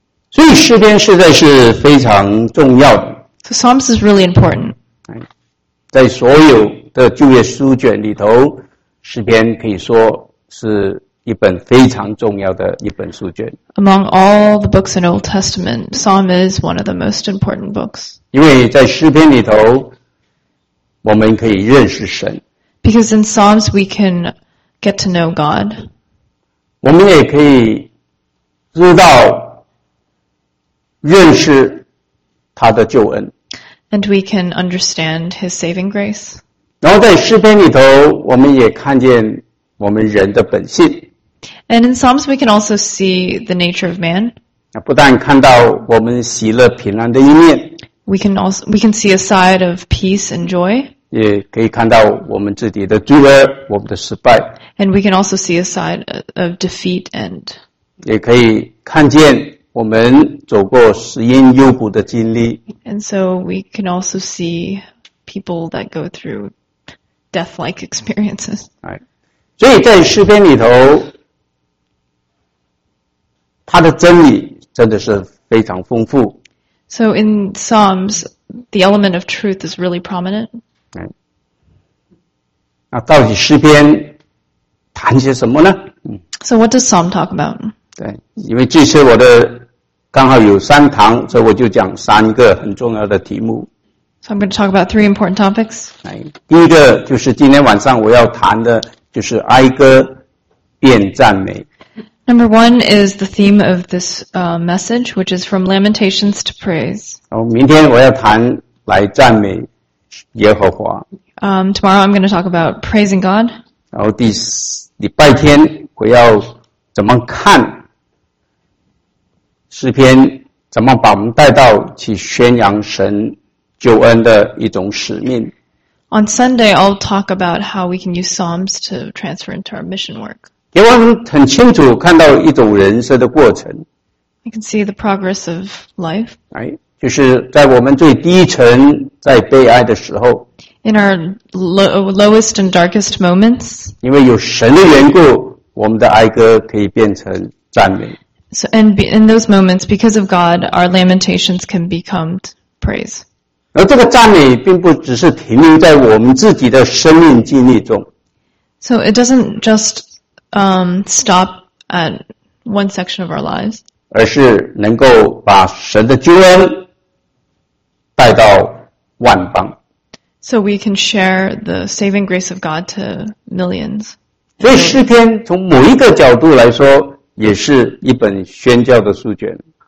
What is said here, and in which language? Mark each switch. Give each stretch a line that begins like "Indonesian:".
Chinese: 所以诗篇实在是非常重要的。
English: So Psalms is really important.
Chinese: 在所有的旧约书卷里头，诗篇可以说是一本非常重要的一本书卷。
English: Among all the books in Old Testament, Psalm is one of the most important books.
Chinese: 因为在诗篇里头我们可以认识神。
English: Because in Psalms we can get to know God.
Chinese: 我们也可以知道认识他的救恩。
English: And we can understand his saving grace.
Chinese: 然后在诗篇里头我们也看见我们人的本性。
English: And in Psalms we can also see the nature of man.
Chinese: 不但看到我们喜乐平安的一面。
English: We can see a side of peace and joy.
Chinese: 也可以看到我们自己的罪恶，我们的失败。
English: And we can also see a side of defeat and.
Chinese: 也可以看见我们走过死因幽谷的经历。
English: And so we can also see people that go through death-like experiences. Right.
Chinese: 所以在诗篇里头，它的真理真的是非常丰富。
English: So in Psalms, the element of truth is really prominent.
Chinese: 那到底诗篇谈些什么呢？
English: So what does Psalm talk about?
Chinese: 对，因为这次我的刚好有三堂，所以我就讲三个很重要的题目。
English: So I'm going to talk about three important topics.
Chinese: 第一个就是今天晚上我要谈的，就是哀歌变赞美。
English: Number one is the theme of this message, which is from Lamentations to Praise.
Chinese: 明天我要谈来赞美耶和华。
English: Tomorrow I'm going to talk about praising God.
Chinese: 然后第四礼拜天我要怎么看诗篇，怎么把我们带到去宣扬神救恩的一种使命。
English: On Sunday I'll talk about how we can use Psalms to transfer into our mission work.
Chinese: 给我们很清楚看到一种人生的过程。
English: You can see the progress of life.
Chinese: 就是在我们最低层在悲哀的时候。
English: In our lowest and darkest moments.
Chinese: 因为有神的缘故，我们的哀歌可以变成赞美。
English: So, and in those moments, because of God, our lamentations can become praise.
Chinese: 而这个赞美并不只是停留在我们自己的生命经历中。
English: So it doesn't juststop at one section of our lives.
Chinese: 而是能够把神的救恩带到万邦。
English: So we can share the saving grace of God to millions.
Chinese: 所以诗篇从某一个角度来说也是一本宣教的书卷。